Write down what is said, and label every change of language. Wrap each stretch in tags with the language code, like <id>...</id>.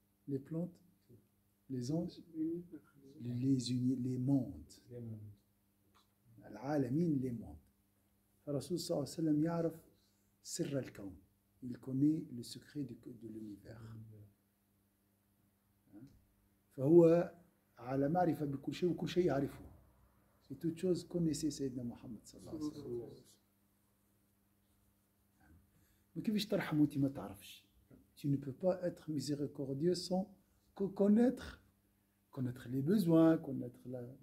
<fr>Les plantes les anges les unis les mondes العالمين les mondes.</fr> <ar>الرسول صلى الله عليه وسلم يعرف سر الكون.</ar> <fr>Il connaît le secret de l'univers.</fr> <ar>فهو على معرفة بكل شيء وكل شيء يعرفه.</ar> <fr>Et toute chose connaissait</fr> <ar>سيدنا محمد صلى الله عليه وسلم. ما كيفاش ترحم وانت ما تعرفش.</ar> <fr>Tu ne peux pas être miséricordieux sans connaître les besoins, connaître la.</fr>